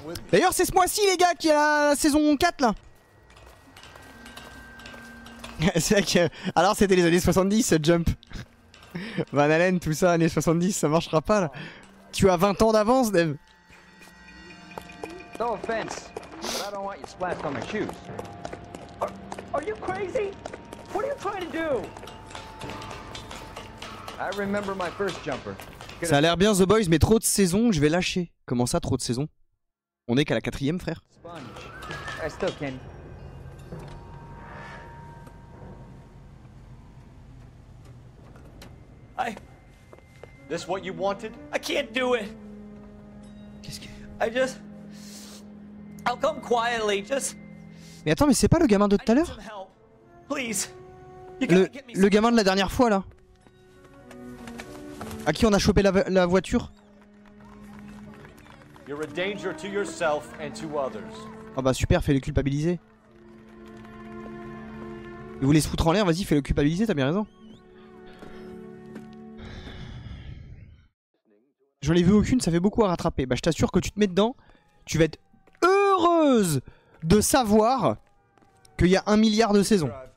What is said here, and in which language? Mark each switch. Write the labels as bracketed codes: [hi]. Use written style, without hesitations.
[fr] D'ailleurs, c'est ce mois-ci, les gars, qui a la saison 4 là. C'est là que... Alors, c'était les années 70, ce jump. Van Halen, tout ça, années 70, ça marchera pas là. Tu as 20 ans d'avance, Dev. [en] No offense, but I don't want you splashed on my shoes. Are you crazy? What are you trying to do? I remember my first jumper. [fr] Ça a l'air bien, The Boys, mais trop de saisons, je vais lâcher. Comment ça, trop de saisons? On est qu'à la quatrième, frère. [en] Sponge. I still can. I... This what you wanted? I can't do it. [fr] Qu'est-ce que... [en] I just... I'll come quietly, just... [fr] Mais attends, mais c'est pas le gamin de tout à l'heure? [en] I need some help. Please. [fr] Le gamin de la dernière fois là. À qui on a chopé la voiture? [en] You're a danger to yourself and to others. [fr] Oh bah super, fais-le culpabiliser. Il voulait se foutre en l'air, vas-y, fais-le culpabiliser, t'as bien raison. J'en ai vu aucune, ça fait beaucoup à rattraper. Bah je t'assure que tu te mets dedans, tu vas être heureuse de savoir qu'il y a 1 milliard de saisons.